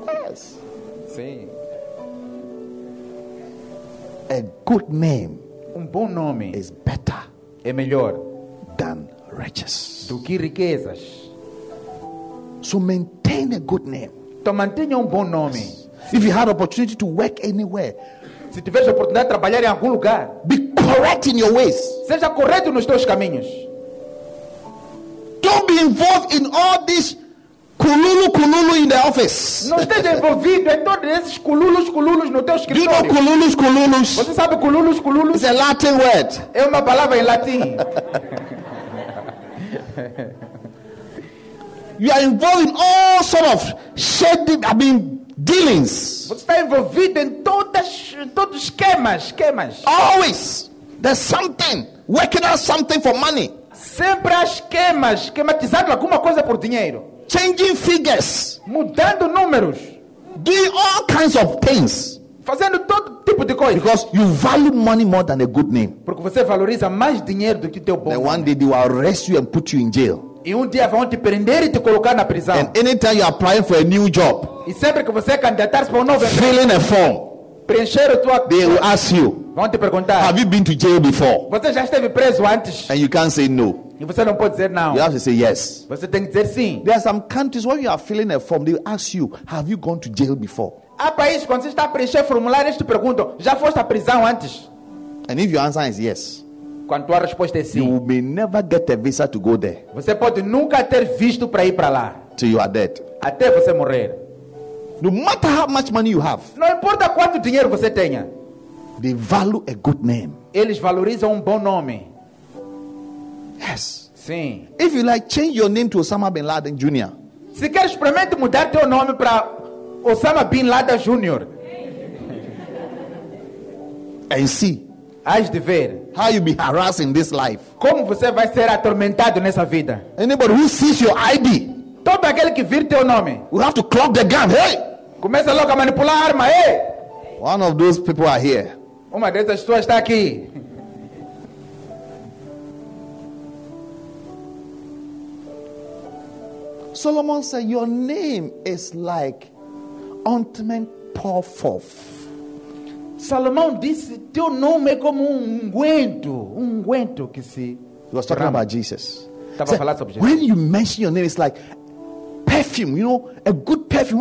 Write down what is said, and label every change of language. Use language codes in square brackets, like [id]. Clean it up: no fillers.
[en] Yes. [pt] Sim. [en] A good name. [pt] Um bom nome. [en] Is better. [pt] É melhor. [en] Than riches. [pt] Do que riquezas. [en] So maintain a good name. [pt] Então mantenha um bom nome. [en] Yes. If you had opportunity to work anywhere. [pt] Se tiveres a oportunidade de trabalhar em algum lugar, [en] be correct in your ways. [pt] Seja correto nos teus caminhos. [en] Don't be involved in all this kululu kululu in the office. [pt] Não esteja envolvido em todos esses kululus kululus no teu escritório. [en] Do you know kululus kululus? [pt] Você sabe kululus kululus? [en] It's a Latin word. [pt] É uma palavra em latim. [en] You are involved in all sort of shady, I mean, dealings. [pt] Você está envolvido em todos esquemas. [en] Always there's something working out something for money. [pt] Sempre há esquematizando alguma coisa por dinheiro. [en] Changing figures. [pt] Mudando números. [en] Doing all kinds of things. [pt] Fazendo todo tipo de coisa. [en] Because you value money more than a good name. [pt] Porque você valoriza mais dinheiro do que teu bom. [en] Then one day they will arrest you and put you in jail. [pt] E um dia vão te prender e te colocar na prisão. [en] And anytime you're applying for a new job. [pt] E sempre que você é candidatar para um novo emprego. [en] Filling a form. [pt] Preencher a tua. [en] They will ask you. [pt] Vão te perguntar. [en] Have you been to jail before? [pt] Você já esteve preso antes? [en] And you can't say no. [pt] E você não pode dizer não. [en] You have to say yes. [pt] Você tem que dizer sim. [en] There are some countries where you are filling a form. They will ask you, have you gone to jail before? [pt] Há países quando você está a preencher formulário, eles te perguntam, já foste à prisão antes? [en] And if your answer is yes. [pt] Quando tua resposta é sim. [en] You may never get a visa to go there. [pt] Você pode nunca ter visto para ir para lá. [en] Till you are dead. [pt] Até você morrer. [en] No matter how much money you have. [pt] Não importa quanto dinheiro você tenha. [en] They value a good name. [pt] Eles valorizam um bom nome. [en] Yes. [pt] Sim. [en] If you like, change your name to Osama Bin Laden Jr. [pt] Se quer, experimente mudar teu nome para Osama Bin Laden Jr. [en] And see. [pt] Hás de ver. [en] How you be harassed in this life. [pt] Como você vai ser atormentado nessa vida. [en] Anybody who sees your ID. [pt] Todo aquele que vir teu nome. [en] We have to clock the gun. Hey! [pt] Começa logo a manipular a arma. Hey! [en] One of those people are here. [pt] Uma dessas pessoas está aqui. [en] Solomon said, your name is like ointment pour forth. [pt] Salomão disse, teu nome é como um unguento que se. [en] He was talking about Jesus. [pt] Estava a falar sobre Jesus. [en] When you mention your name, it's like perfume, you know, a good perfume.